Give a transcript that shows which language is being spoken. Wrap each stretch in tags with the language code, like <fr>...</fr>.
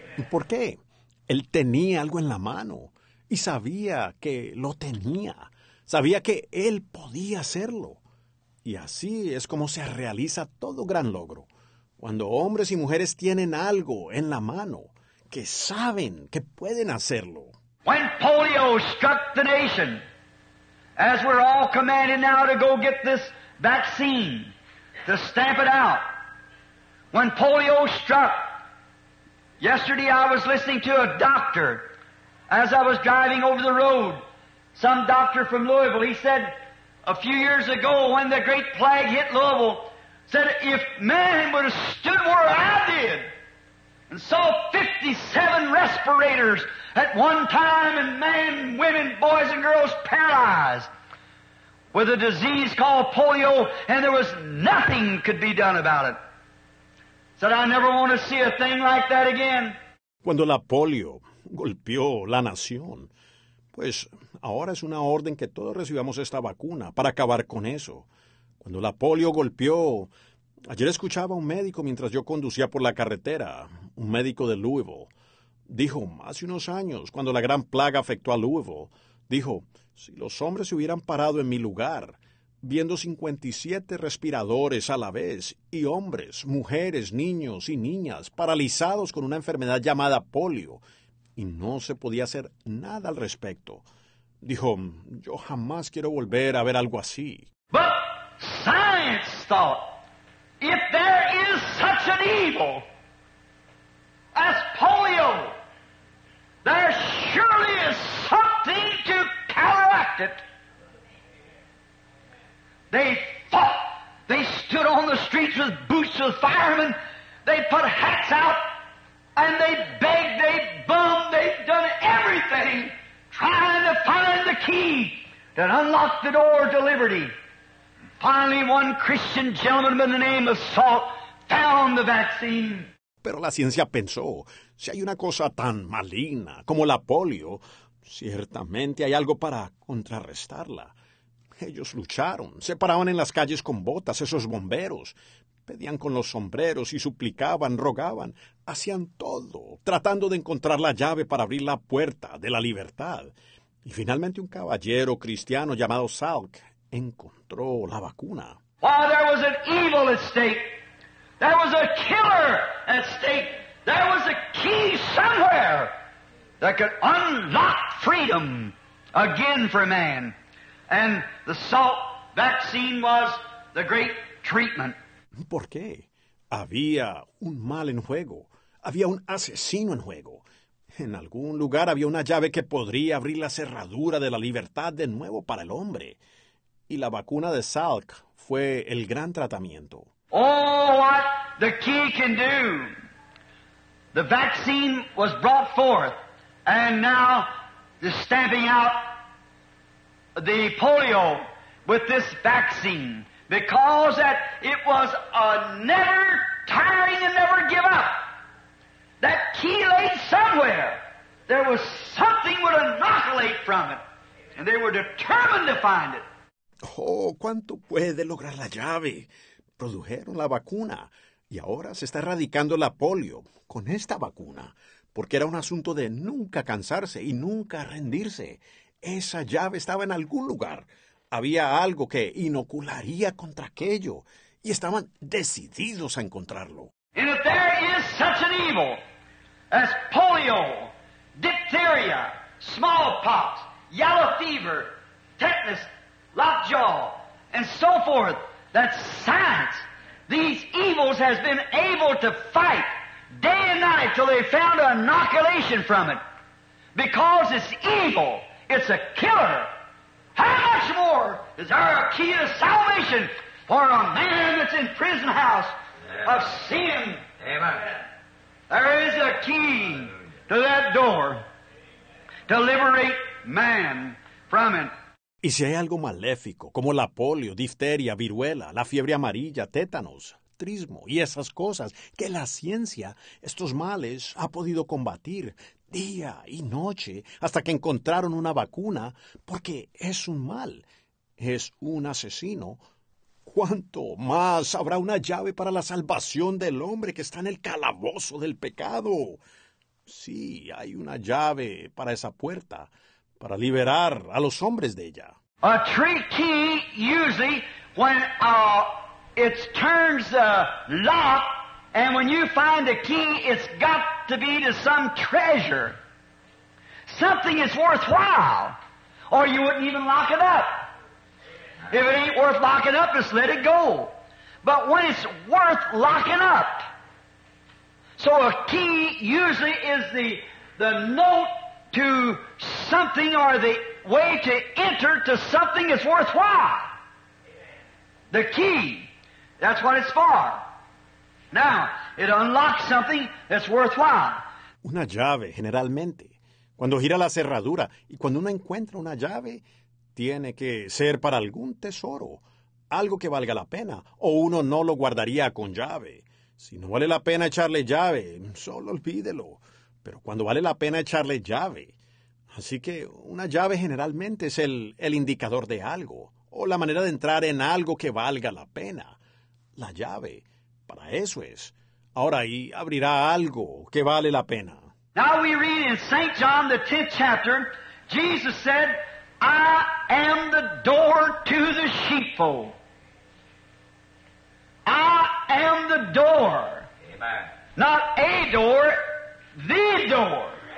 <es>¿Por qué? Él tenía algo en la mano y sabía que lo tenía. Sabía que él podía hacerlo. Y así es como se realiza todo gran logro. Cuando hombres y mujeres tienen algo en la mano, que saben que pueden hacerlo.</es> <en>When polio struck the nation, as we're all commanded now to go get this vaccine, to stamp it out. When polio struck, yesterday I was listening to a doctor as I was driving over the road, some doctor from Louisville. He said a few years ago when the great plague hit Louisville, said if man would have stood where I did and saw 57 respirators at one time and men, women, boys and girls paralyzed with a disease called polio and there was nothing could be done about it. Said, I never want to see a thing like that again.</en> <es>Cuando la polio golpeó la nación, pues ahora es una orden que todos recibamos esta vacuna para acabar con eso. Cuando la polio golpeó, ayer escuchaba a un médico mientras yo conducía por la carretera, un médico de Louisville. Dijo, hace unos años, cuando la gran plaga afectó a Louisville, dijo, si los hombres se hubieran parado en mi lugar, viendo 57 respiradores a la vez, y hombres, mujeres, niños y niñas paralizados con una enfermedad llamada polio, y no se podía hacer nada al respecto. Dijo, yo jamás quiero volver a ver algo así.</es> <en>But science thought, if there is such an evil as polio, there surely is something to counteract it. They fought. They stood on the streets with boots with firemen. They put hats out and they begged, they bummed, they've done everything trying to find the key that unlocked the door to liberty. Finally, one Christian gentleman by the name of Salt found the vaccine.</en> <es>Pero la ciencia pensó, si hay una cosa tan maligna como la polio, ciertamente hay algo para contrarrestarla. Ellos lucharon, se paraban en las calles con botas, esos bomberos, pedían con los sombreros y suplicaban, rogaban, hacían todo, tratando de encontrar la llave para abrir la puerta de la libertad. Y finalmente un caballero cristiano llamado Salk encontró la vacuna.</es> <en>Wow, there was an evil at stake. There was a killer at stake. There was a key somewhere that could unlock freedom again for man. And the Salk vaccine was the great treatment.</en> <es>¿Por qué? Había un mal en juego. Había un asesino en juego. En algún lugar había una llave que podría abrir la cerradura de la libertad de nuevo para el hombre. Y la vacuna de Salk fue el gran tratamiento.</es> <en>Oh, what the key can do. The vaccine was brought forth, and now the stamping out the polio with this vaccine, because that it was a never tiring and never give up. That key lay somewhere. There was something would annihilate from it, and they were determined to find it.</en> <es>Oh, ¿cuánto puede lograr la llave? Produjeron la vacuna y ahora se está erradicando la polio con esta vacuna, porque era un asunto de nunca cansarse y nunca rendirse. Esa llave estaba en algún lugar. Había algo que inocularía contra aquello y estaban decididos a encontrarlo.</es> <en>And if there is such an evil as polio, diphtheria, smallpox, yellow fever, tetanus, lockjaw, and so forth, that science, these evils, has been able to fight day and night till they found an inoculation from it. Because it's evil, it's a killer. How much more is there a key to salvation for a man that's in prison house of sin? Amen. There is a key to that door to liberate man from it.</en> <es>Y si hay algo maléfico, como la polio, difteria, viruela, la fiebre amarilla, tétanos, trismo y esas cosas, que la ciencia, estos males, ha podido combatir, día y noche hasta que encontraron una vacuna, porque es un mal, es un asesino. ¿Cuánto más habrá una llave para la salvación del hombre que está en el calabozo del pecado? Sí, hay una llave para esa puerta, para liberar a los hombres de ella.</es> <en>A tricky usually when it turns the lock and when you find the key it's got to be to some treasure. Something is worthwhile or you wouldn't even lock it up. If it ain't worth locking up, just let it go. But when it's worth locking up. So a key usually is the note to something or the way to enter to something that's worthwhile. The key, that's what it's for. Now, it unlocks something that's worthwhile.</en> <es>Una llave, generalmente. Cuando gira la cerradura y cuando uno encuentra una llave, tiene que ser para algún tesoro, algo que valga la pena, o uno no lo guardaría con llave. Si no vale la pena echarle llave, solo olvídelo. Pero cuando vale la pena echarle llave. Así que una llave generalmente es el indicador de algo, o la manera de entrar en algo que valga la pena. La llave, para eso es. Ahora ahí abrirá algo que vale la pena.</es> <en>Now we read in St. John, the 10th chapter, Jesus said, I am the door to the sheepfold. I am the door. Amen. Not a door, the door.</en>